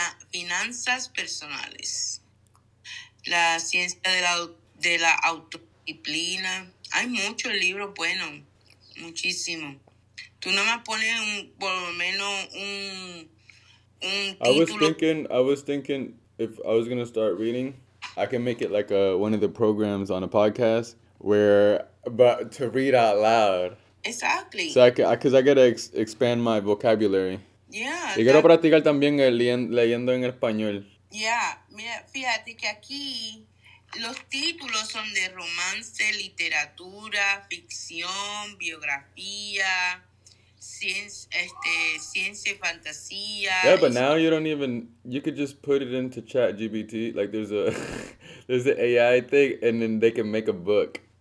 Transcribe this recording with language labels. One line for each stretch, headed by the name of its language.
Spanish: finanzas personales, la ciencia de la autodisciplina. Hay muchos libros buenos, muchísimo. Tú no me pones un, por lo menos un título.
English: I was thinking if I was going to start reading, I can make it like a one of the programs on a podcast where, but to read out loud. Exactly. So I gotta expand my vocabulary. Yeah.
Spanish: Y quiero practicar también leyendo en español.
English: Yeah.
Spanish: Mira, fíjate que aquí los títulos son de romance, literatura, ficción, biografía, ciencia y fantasía.
English: Yeah, but now you don't even, you could just put it into ChatGPT. Like there's a, there's an AI thing and then they can make a book.